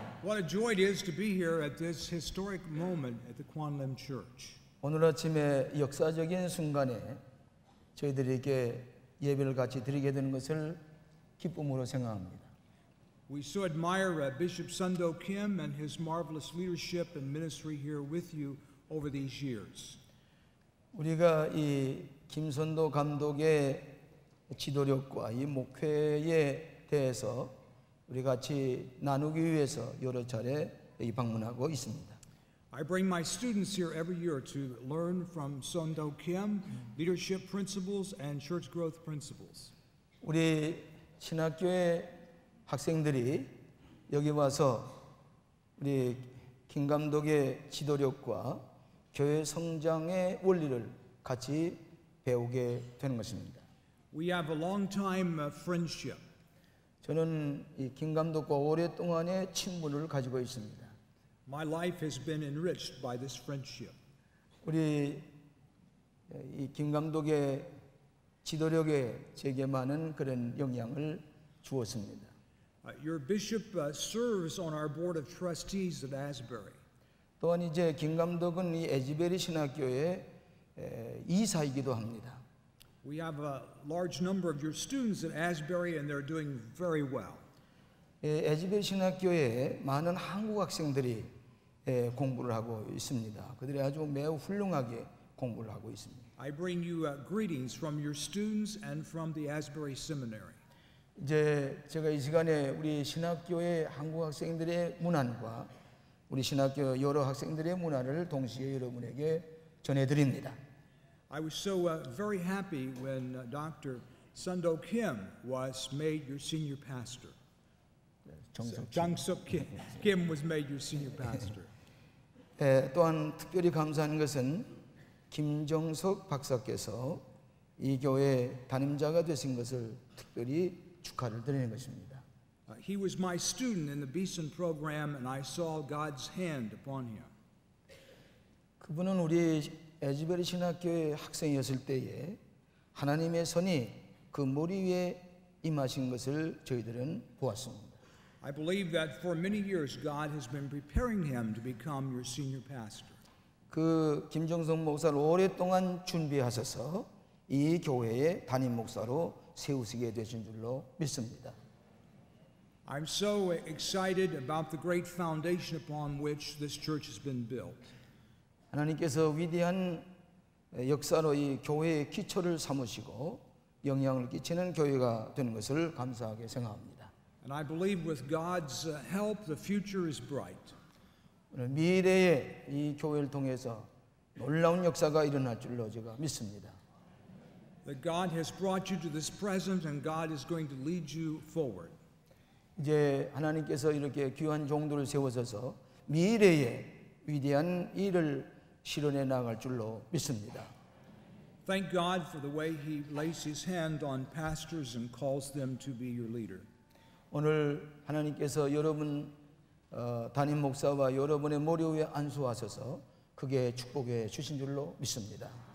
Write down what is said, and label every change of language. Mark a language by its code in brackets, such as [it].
[en] What a joy it is to be here at this historic moment at the Kwan Lim Church. [ko] 오늘 아침에 역사적인 순간에 저희들에게 예배를 같이 드리게 되는 것을 기쁨으로 생각합니다. [en] We so admire Bishop Sundo Kim and his marvelous leadership and ministry here with you over these years. [ko] 우리가 이 김선도 감독의 지도력과 이 목회에 대해서 우리 같이 나누기 위해서 여러 차례 여기 방문하고 있습니다. [en] I bring my students here every year to learn from Sundo Kim, leadership principles and church growth principles. [ko] 우리 신학교의 학생들이 여기 와서 우리 김 감독의 지도력과 교회 성장의 원리를 같이 배우게 되는 것입니다. [en] We have a long time friendship. [ko] 저는 이 김 감독과 오랫동안의 친분을 가지고 있습니다. [en] My life has been enriched by this friendship. [ko] 우리 이 김 감독의 지도력에 제게 많은 그런 영향을 주었습니다. [en] Your bishop serves on our board of trustees at Asbury. [ko] 또한 이제 김 감독은 이 에즈베리 신학교의 이사이기도 합니다. [en] We have a large number of your students at Asbury, and they're doing very well. [ko] 에즈베리 신학교에 많은 한국 학생들이 공부를 하고 있습니다. 그들이 아주 매우 훌륭하게 공부를 하고 있습니다. [en] I bring you greetings from your students and from the Asbury Seminary. [ko] 이제 제가 이 시간에 우리 신학교의 한국 학생들의 문안과 우리 신학교 여러 학생들의 문안을 동시에 여러분에게 전해드립니다. [en] I was so very happy when Dr. Sundo Kim was made your senior pastor. Jung-suk Kim was made your senior pastor. [ko] 또한 특별히 감사한 것은 김정석 박사께서 이 교회 담임자가 되신 것을 특별히 축하를 드리는 것입니다. [en] He was my student in the Beeson program and I saw God's hand upon him. [ko] 그분은 우리 에즈베리 신학교의 학생이었을 때에 하나님의 손이 그 머리 위에 임하신 것을 저희들은 보았습니다. [en] I believe that for many years God has been preparing him to become your senior pastor. [ko] 그 김정성 목사를 오랫동안 준비하셔서 이 교회의 담임 목사로 세우시게 되신 줄로 믿습니다. [en] I'm so excited about the great foundation upon which this church has been built. [ko] 하나님께서 위대한 역사로 이 교회의 기초를 삼으시고 영향을 끼치는 교회가 되는 것을 감사하게 생각합니다. [en] And I believe with God's help, the future is bright. [ko] 오늘 미래에 이 교회를 통해서 놀라운 역사가 일어날 줄로 제가 믿습니다. [en] That God has brought you to this present and God is going to lead you forward. [ko] 이제 하나님께서 이렇게 귀한 종들을 세워서 미래에 위대한 일을 실현해 나갈 줄로 믿습니다. [en] Thank God for the way he lays his hand on pastors and calls them to be your leader. [ko] 오늘 하나님께서 여러분 담임 목사와 여러분의 머리 위에 안수하셔서 그게 축복해 주신 줄로 믿습니다.